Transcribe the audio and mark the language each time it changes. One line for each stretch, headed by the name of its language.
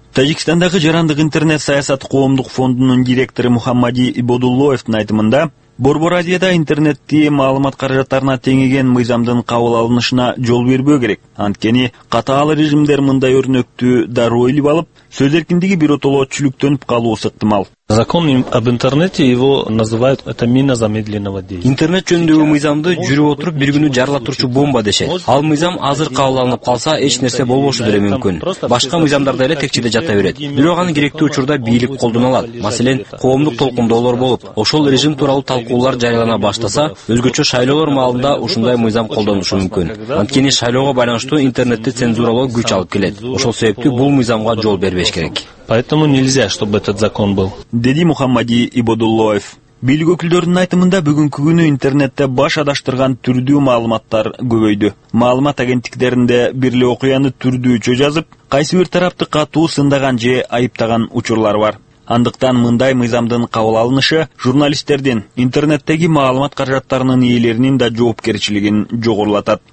Kyrgyz: Тажикстандагы жарандык интернет саясат коомдук фондунун директору Мухаммади Ибодуллоевдин айтымында, Борбор Азияда интернетти маалымат каражаттарына теңеген мыйзамдын кабыл алынышына жол бербөө керек. Анткени катаал режимдер мындай өрнөктү дароо илип алып, сөз эркиндиги биротоло чүлүктөнүп калуусу ыктымал.
Russian: Закон об интернете его называют это мина замедленного действия.
Kyrgyz: Интернет жөнүндөгү мыйзамды жүрүп отуруп бир күнү жарыла турчу бомба дешет. Ал мыйзам азыр кабыл алынып калса эч нерсе болбошу деле мүмкүн. Башка мыйзамдарда эле текчеде жата берет. Бирок аны керектүү учурда бийлик колдоно алат. Маселен, коомдук толкундоолор болуп, ошол режим тууралуу талкуулар жарыялана баштаса, өзгөчө шайлоолор маалында ушундай мыйзам колдонулушу мүмкүн. Анткени шайлоого байланыштуу интернетти цензуралоо күч алып келет. Ошол себептүү бул мыйзамга жол бербеш керек.
Russian: Поэтому нельзя, чтобы этот закон был.
Kyrgyz: Деди Мухаммади Ибодуллоев. Бийлик өкүлдөрүнүн айтымында бүгүнкү күнү интернетте баш адаштырган түрдүү маалыматтар көбөйдү. Маалымат агенттиктеринде бир эле окуяны түрдүүчө жазып, кайсы бир тарапты катуу сындаган же айыптаган учурлар бар. Андыктан мындай мыйзамдын кабыл алынышы журналисттердин, интернеттеги маалымат каражаттарынын ээлеринин да жоопкерчилигин жогорулатат.